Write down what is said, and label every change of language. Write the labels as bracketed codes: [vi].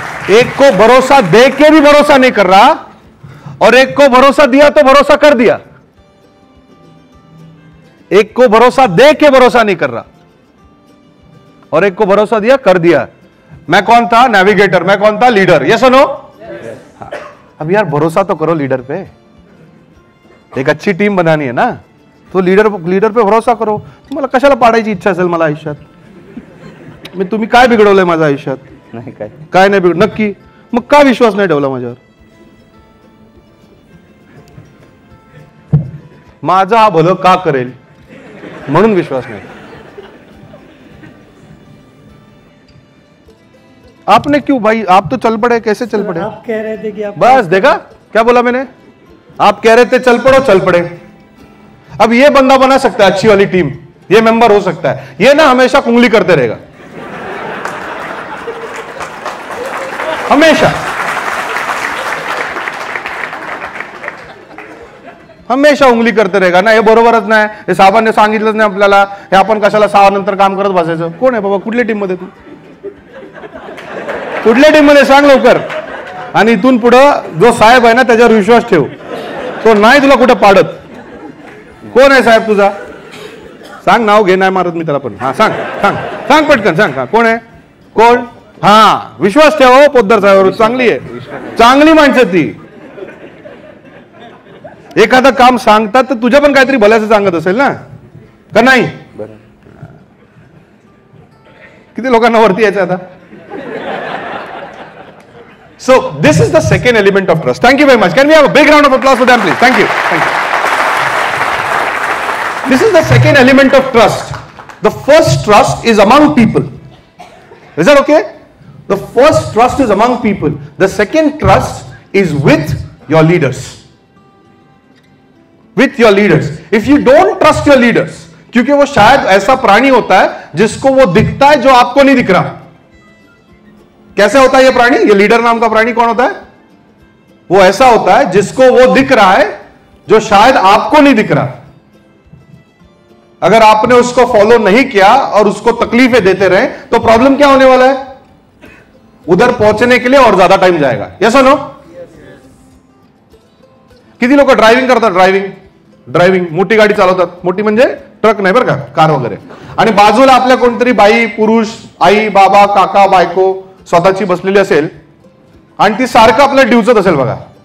[hi] एक को भरोसा दे के भी भरोसा नहीं कर रहा, और एक को भरोसा दिया तो भरोसा कर दिया, एक को भरोसा दे के भरोसा नहीं कर रहा और एक को भरोसा दिया कर दिया। मैं कौन था? नेविगेटर। मैं कौन था? लीडर। ये सुनो अब यार, भरोसा तो करो लीडर पे, एक अच्छी टीम बनानी है ना तो लीडर पे भरोसा करो। [mr] मला कशाला पाडायची इच्छा असेल मला आयुष्यात, मी तुम्ही काय बिघडवलंय माझ्या आयुष्यात? [hi] नहीं [mr] काय नाही बिघडलं नक्की, मग का विश्वास नाही ठेवला माझ्यावर? माझा हा भलं का करेल म्हणून विश्वास नाही। [hi] आपने क्यों भाई, आप तो चल पड़े, कैसे चल पड़े? आप कह रहे थे कि आप, बस देखा क्या बोला मैंने, आप कह रहे थे चल पड़ो, चल पड़े। अब ये बंदा बना सकता है अच्छी वाली टीम, ये मेंबर हो सकता है, ये ना हमेशा कुंगली करते रहेगा हमेशा उंगली करते रहेगा ना, [mr] ये बरोबरच नाही, हे साहेबांनी सांगितलंच नाही आपल्याला, हे आपण कशाला 6 नंतर काम करत बसायचं? कोण आहे बाबा, कुठल्या टीम मध्ये तू, कुठल्या टीम मध्ये सांग लवकर, आणि इथून पुढं जो साहेब आहे ना त्याच्यावर विश्वास ठेव, तो नाही तुला कुठे पाडत। कोण आहे साहेब तुझा, सांग नाव, घे नाही मारत मी त्याला पण, हा सांग सांग सांग पटकन सांग, कोण आहे, कोण, हा विश्वास ठेव पोद्दार साहेबावर, चांगली आहे, चांगली माणसं ती, एखादं काम सांगतात तर तुझ्या पण काहीतरी भल्याचं सांगत असेल ना का, नाही? किती लोकांना वरती यायचं आता? [en] So this is the second element of trust. Thank you very much, can we have a big round of applause for them please, thank you. This is the second element of trust, the first trust is among people, is that okay? The first trust is among people, the second trust is with your leaders, with your leaders. If you don't trust your leaders, [hi] क्योंकि वो शायद ऐसा प्राणी होता है जिसको वो दिखता है जो आपको नहीं दिख रहा। कैसे होता है ये प्राणी, ये लीडर नाम का प्राणी कौन होता है? वो ऐसा होता है जिसको वो दिख रहा है जो शायद आपको नहीं दिख रहा। अगर आपने उसको फॉलो नहीं किया और उसको तकलीफें देते रहे तो प्रॉब्लम क्या होने वाला है, उधर पहुंचने के लिए और ज्यादा टाइम जाएगा। [en] Yes और no? [hi] किसी लोग ड्राइविंग करता, [mr] ड्राइविंग मोटी गाड़ी चलावतात, मोटी म्हणजे ट्रक नाही बर का, कार वगैरे, आणि बाजूला आपल्या कोणतरी बाई पुरुष आई बाबा काका बायको स्वतःची बसलेली असेल आणि ती सारखं आपल्या ड्यूचत असेल, बघा